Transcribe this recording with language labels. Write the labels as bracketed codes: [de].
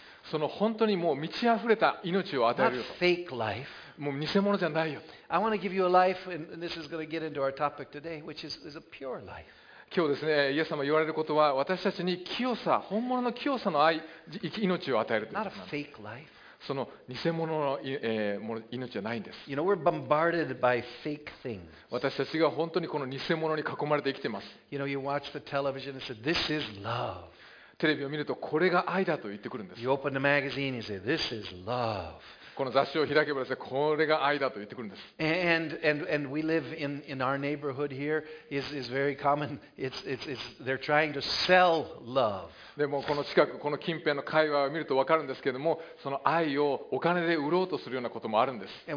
[ja] その本当にもう満ち溢れた命を与えるよと。もう偽物じゃないよと。 [en] I want to give you a life, and this is going to get into our topic today, which is a pure life. [ja] 今日ですね、イエス様言われることは、私たちに清さ、本物の清さの愛、命を与えるということなんです。その偽物の命じゃないんです。 [en] You know, we're bombarded by fake things. [ja] 私たちが本当にこの偽物に囲まれて生きています。 [en] You know, you watch the television and say, this is love. [ja] テレビを見ると、これが愛だと言ってくるんです。 [en] You open the magazine and say, this is love. [ja] この雑誌を開けばですね、これが愛だと言ってくるんです。 [en] And we live in our neighborhood here is very common. It's they're trying to sell love. [ja] でもこの近くこの近辺の会話を見ると分かるんですけれども、その愛をお金で売ろうとするようなこともあるんです。